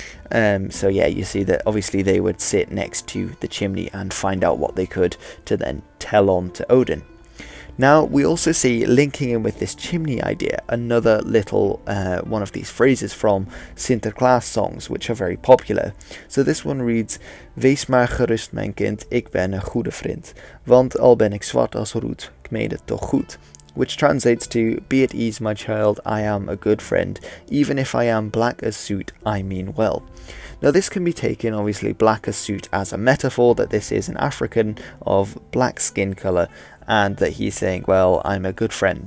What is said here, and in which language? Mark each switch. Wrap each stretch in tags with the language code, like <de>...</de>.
<en>So yeah, you see that obviously they would sit next to the chimney and find out what they could to then tell on to Odin. Now, we also see, linking in with this chimney idea, another little one of these phrases from Sinterklaas songs, which are very popular. So this one reads,</en> <nl>Wees maar gerust, mijn kind, ik ben een goede vriend, want al ben ik zwart als roet, ik meen het toch goed.</nl> <en>Which translates to, Be at ease, my child, I am a good friend. Even if I am black as soot, I mean well. Now this can be taken, obviously, black as soot as a metaphor, that this is an African of black skin colour, and that he's saying, well, I'm a good friend.</en>